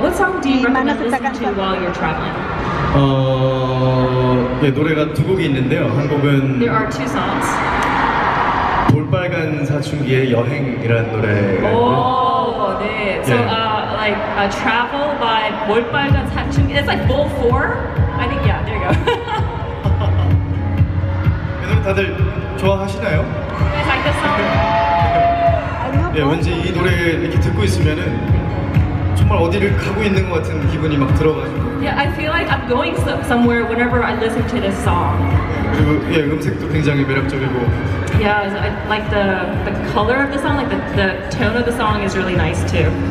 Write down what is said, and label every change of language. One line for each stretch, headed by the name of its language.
English: What song do you recommend listening to while you're traveling?
Korean: 네, 노래가 두 곡이 있는데요. 한 곡은
English: There are two songs.
Korean: 볼빨간 사춘기의 여행이라는 노래.
English: 오, 네. So like travel by 볼빨간 사춘기. It's like Bowl Four. I think yeah. There you go.
Korean: 다들 좋아하시나요?
English: Like song.
Korean: 네, 왠지 이 노래 이렇게 듣고 있으면은 정말 어디를 가고 있는 것 같은 기분이 막 들어가지고.
English: Yeah, I feel like I'm going somewhere whenever I listen to this song.
Korean: 그리고 예, 음색도 굉장히 매력적이고.
English: Yeah, so I like the color of the song, like the tone of the song is really nice too.